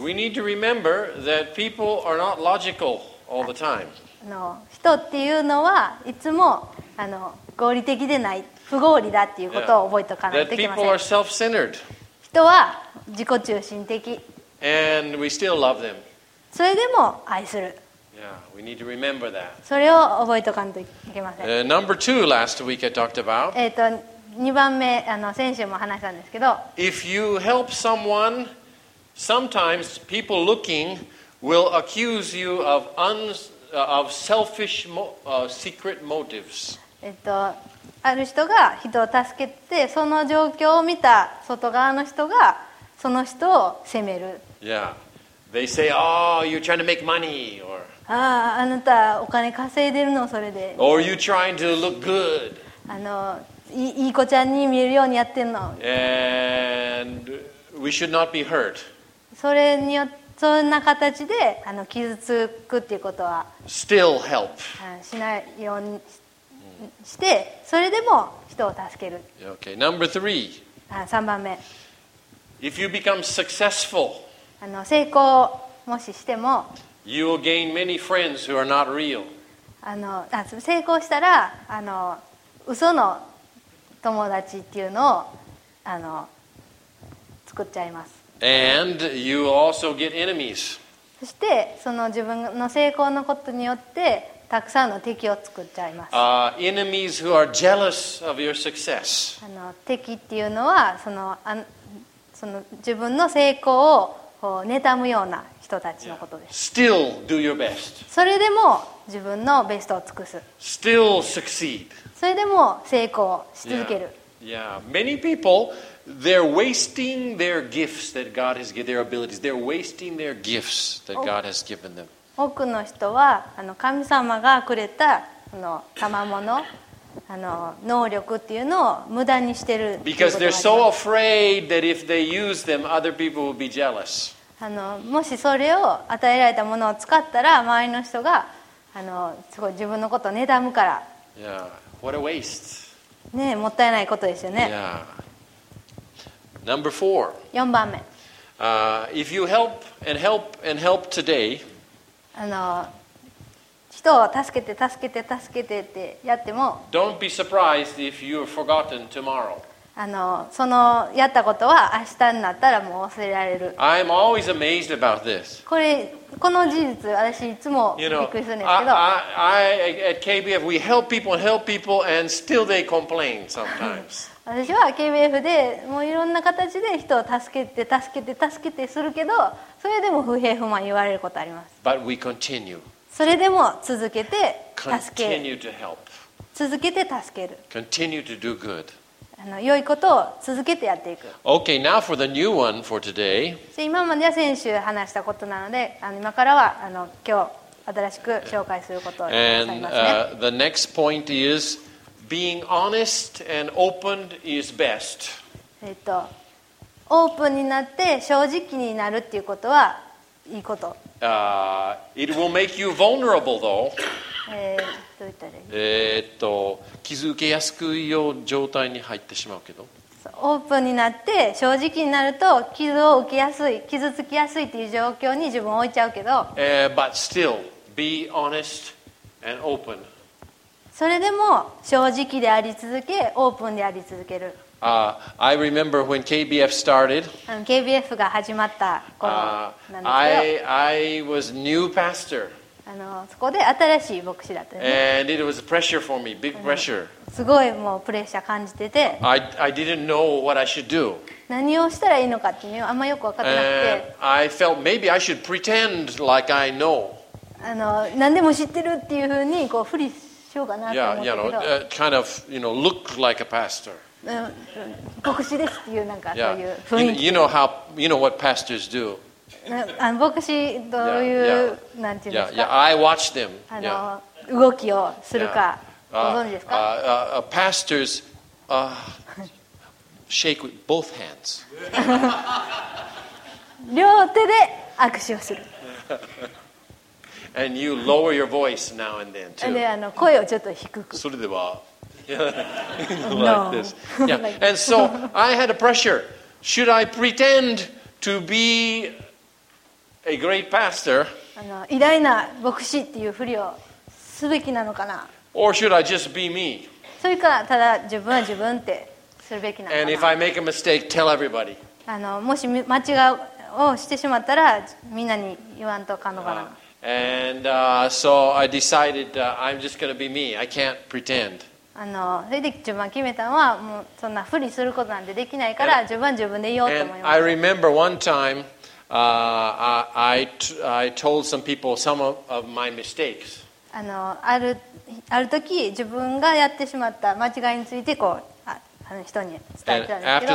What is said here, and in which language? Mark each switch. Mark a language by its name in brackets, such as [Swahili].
[English] We need to remember that people are not logical all the time. [Japanese] 人っていうのはいつも合理的でない、不合理だっていうことを覚えておかないといけません。 [English] That people are self-centered. [Japanese] 人は自己中心的。 [English] And we still love them. [Japanese] それでも愛する。 [English] Yeah, we need to remember that. [Japanese] それを覚えておかないといけません。 [English] Number two, last week I talked about. [Japanese] 2番目、先週も話したんですけど。 [English] If you help someone, sometimes people looking will accuse you of selfish secret motives. [Japanese] ある人が人を助けて、その状況を見た外側の人が、その人を責める。 [English] Yeah. They say, oh, you're trying to make money. Or, [Japanese] あなたお金稼いでるのそれで。 [English] Or you're trying to look good. [Japanese] いい子ちゃんに見えるようにやってんの。 [English] And We should not be hurt. [Japanese] それによそんな形で傷つくっていうことは [English] still help. [Japanese] しないようにしてそれでも人を助ける。 [English] Okay. Number three. [Japanese] 3番目。 [English] If you become successful, [Japanese] 成功をもししても [English] you will gain many friends who are not real. [Japanese] 成功したら嘘の友達っていうのを作っちゃいます。 [English] And you also get enemies. [Japanese] そしてその自分の成功のことによってたくさんの敵を作っちゃいます。 [English] Enemies who are jealous of your success. [Japanese] 敵っていうのはその自分の成功をこう妬むような人たちのことです。 [English] Yeah. Still do your best. [Japanese] それでも自分のベストを尽くす。 [English] Still succeed. [Japanese] それでも成功し続ける。 [English] Yeah. Yeah. Many people. They're wasting their gifts that God has given, their abilities. They're wasting their gifts that God has given them. [Japanese] 多くの人は神様がくれた賜物、能力っていうのを無駄にしてる。 [English] Because they're so afraid that if they use them, other people will be jealous. [Japanese] もしそれを与えられたものを使ったら、周りの人がすごい自分のことを妬むから。 [English] Yeah, what a waste. [Japanese] ねえ、もったいないことですよね。 [English] Yeah. Number four. [Japanese] 4番目。 [English] If you help and help and help today, [Japanese] 人を助けて助けて助けてってやっても、 [English] don't be surprised if you are forgotten tomorrow. [Japanese] そのやったことは明日になったらもう忘れられる。 [English] I am always amazed about this. [Japanese] この事実、私いつもびっくりするんですけど。 [English] At KBF, we help people and help people, and still they complain sometimes. [Japanese] 私は KBF でもういろんな形で人を助けて助けて助けてするけど、それでも不平不満言われることあります。 [English] But we continue. [Japanese] それでも続けて助け [English] continue to help. [Japanese] 続けて助ける。 [English] continue to do good. [Japanese] 良いことを続けてやっていく。 [English] Okay, now for the new one for today. [Japanese] 今までは先週話したことなので、今からは今日新しく紹介することをしますね。 [English] The next point isBeing honest and open is best. [Japanese] オープンになって正直になるっていうことはいいこと。 [English] It will make you vulnerable, though. [Japanese] どういったらいい？気づけやすくいう状態に入ってしまうけど。オープンになって正直になると傷を受けやすい、傷つきやすいっていう状況に自分を置いちゃうけど。 [English] But still, be honest and open. [Japanese] それでも正直であり続け、オープンであり続ける。 [English] I remember when KBF started. [Japanese] KBF が始まった頃なんですよ。 [English] I was new pastor. [Japanese] そこで新しい牧師だったね。 [English] And it was pressure for me, big pressure. [Japanese] すごいもうプレッシャー感じてて。 [English] I didn't know what I should do. [Japanese] 何をしたらいいのかっていうのあんまよく分かってなくて。 [English] And I felt maybe I should pretend like I know. [Japanese] 何でも知ってるっていうふうにこうフリス。 [English] Yeah, you know, kind of, you know, look like a pastor. [Japanese] 牧師ですっていうなんかそういう雰囲気。 [English] You know how, you know what pastors do. [Japanese] 牧師どういう、yeah, yeah. なんていうんですか。 [English] Yeah, yeah. I watch them. [Japanese] 動きをするか、ご存知ですか。 [English] Pastors, shake with both hands. [Japanese] 両手で握手をする。 [English] And you lower your voice now and then too. [Japanese] 声をちょっと低く。それでは、 [English] like this. Yeah. And so I had a pressure. Should I pretend to be a great pastor? [Japanese] 偉大な牧師っていうふりをすべきなのかな。 [English] Or should I just be me? [Japanese] それかただ自分は自分ってするべきなのかな。 [English] And if I make a mistake, tell everybody. [Japanese] もし間違いをしてしまったらみんなに言わんとかのかな。 [English] And so I decided I'm just going to be me. I can't pretend. [Japanese] それで自分決めたのはもうそんなふりすることなんてできないから自分自分で言おうと思います。 [English] I remember one time I told some people some of my mistakes. [Japanese] ある時自分がやってしまった間違いについてこう人に伝えたんですけど。